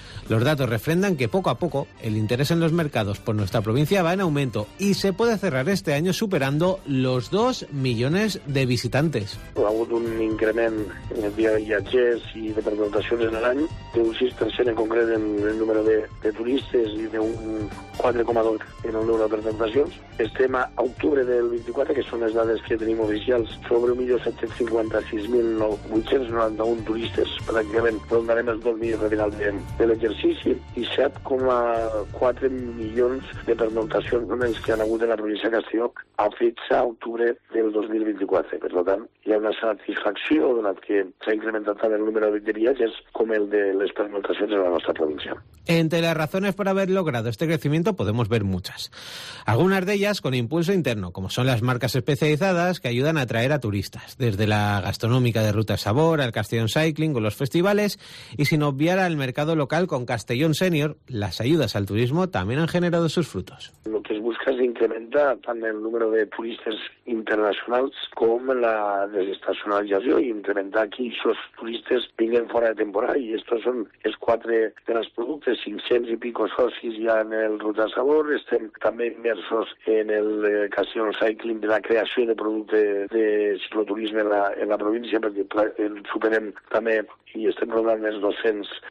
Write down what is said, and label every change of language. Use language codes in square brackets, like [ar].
[es] Los datos refrendan que poco a poco el interés en los mercados por nuestra provincia va en aumento y se puede cerrar este año superando los 2 millones de visitantes. Ha habido un incremento en el día de viajes y de presentaciones en el año, de un 6% en concreto en el número de turistas y de un 4,2% en el número de presentaciones. [ca] Estem a octubre del 24, que són les dades que tenim oficials, sobre 1.756.891 turistes, pràcticament rondarem els 2.000 al final de l'exercici. 6 i 7,4 milions de pernoctacions només que han hagut en la província de Castelló a fins a octubre del 2024. Per tant, hi ha una satisfacció donat que s'ha incrementat tant el número de viatges com el de les pernoctacions en la nostra província. [es] Entre las razones por haber logrado este crecimiento podemos ver muchas. Algunas de ellas con impulso interno, como son las marcas especializadas que ayudan a atraer a turistas, desde la gastronómica de Ruta Sabor al Castellón Cycling o los festivales, y sin obviar al mercado local con Castellón Senior, las ayudas al turismo también han generado sus frutos. Lo que busca es incrementar tanto el número de turistas internacionales como la desestacionalización y incrementar que esos turistas vinguen fuera de temporada, y estos son los cuatro de los productos. [ca] 500 i pico socis ja en el Ruta Sabor, estem també immersos en el Castellón Cycling de la creació de producte de cicloturisme en la província, perquè superem també i estem rodant els 200